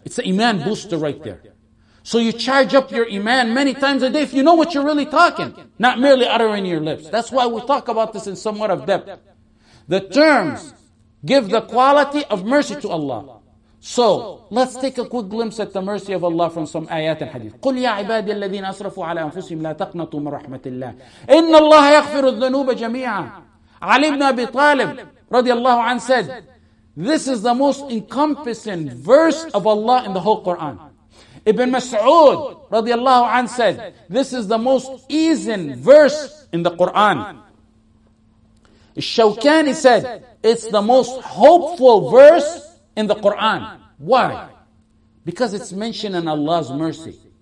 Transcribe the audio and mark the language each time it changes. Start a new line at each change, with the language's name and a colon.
English: It's an iman booster right there. So you charge up your iman many times a day if you know what you're really talking, not merely uttering your lips. That's why we talk about this in somewhat of depth. The terms give the quality of mercy to Allah. So, let's take a quick glimpse at the mercy of Allah from some ayat and hadith.
Arabic: قُلْ يَا عِبَادِيَ الَّذِينَ أَسْرَفُوا عَلَىٰ أَنفُسِهِمْ لَا تَقْنَطُوا مِنْ رَحْمَةِ اللَّهِ إِنَّ اللَّهَ يَغْفِرُ الذُّنُوبَ جَمِيعًا علي بن أبي طالب رضي الله عنه
English: said, this is the most encompassing verse of Allah in the whole Quran. Ibn Mas'ud رضي الله عنه said, this is the most easing verse in the Quran. Shawkani said, it's the most hopeful verse in the Quran. Why? Because it's mentioned in Allah's mercy.